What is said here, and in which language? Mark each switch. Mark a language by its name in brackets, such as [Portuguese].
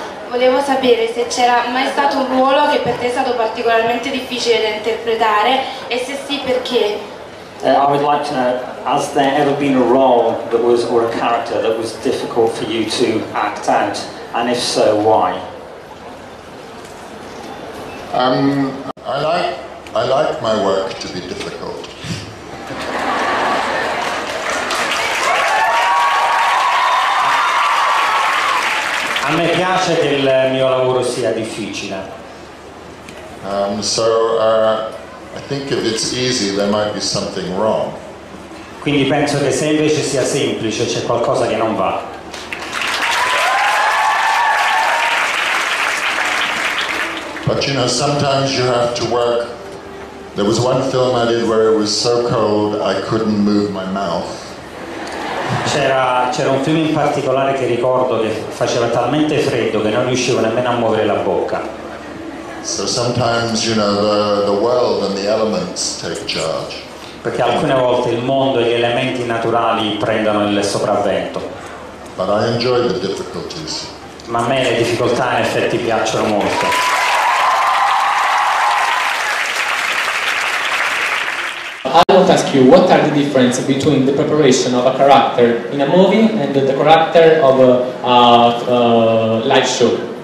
[Italian] Volevo sapere se c'era mai stato un ruolo che per te è stato particolarmente difficile da interpretare e se sì perché. [English] I would like to know, has there ever been a role that was or a character that was difficult for you to act out? And if so, why? I like my work to be difficult. [Italian] A me piace che il mio lavoro sia difficile. [English] I think if it's easy, there might be something wrong. [Italian] Quindi penso che se invece sia semplice c'è qualcosa che non va. [English] But you know, sometimes you have to work. There was one film I did where it was so cold I couldn't move my mouth. [Italian] C'era un film in particolare che ricordo che faceva talmente freddo che non riuscivo nemmeno a muovere la bocca. [English] So sometimes, you know, the world and the elements take charge. [Italian] Perché alcune volte il mondo e gli elementi naturali prendono il sopravvento. [English] But I enjoy the difficulties. [Italian] Ma a me le difficoltà in effetti piacciono molto. [English] I want to ask you, what are the differences between the preparation of a character in a movie and the character of a live show?